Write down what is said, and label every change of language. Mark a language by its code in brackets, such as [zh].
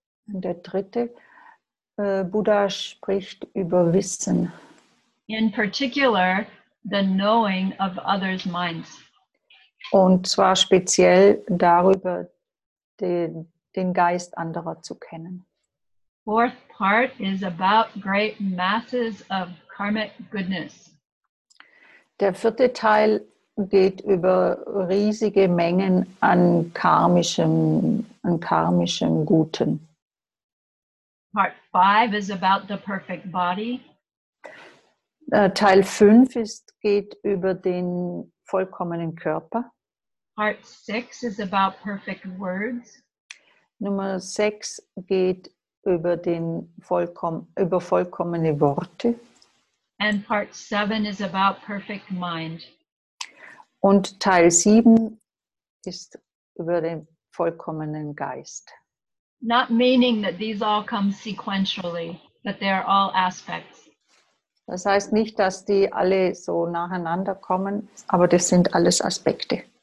[de] Und der dritte, Buddha spricht über Wissen. [en] In particular, the knowing of others' minds. [de] Und zwar speziell darüber, den Geist anderer zu kennen. [en] Fourth part is about great masses of karmic goodness. [de] Der vierte Teil geht über riesige Mengen an karmischem Guten. [en] Part 5 is about the perfect body. [de] Teil 5 geht über den vollkommenen Körper. [en] Part 6 is about perfect words. [de] Nummer 6 geht über vollkommene Worte. [en] And part 7 is about perfect mind. [de] Und Teil 7 ist über den vollkommenen Geist. [en] Not meaning that these all come sequentially, but they are all aspects. [de] Das heißt nicht, dass die alle so nacheinander kommen, aber das sind alles Aspekte.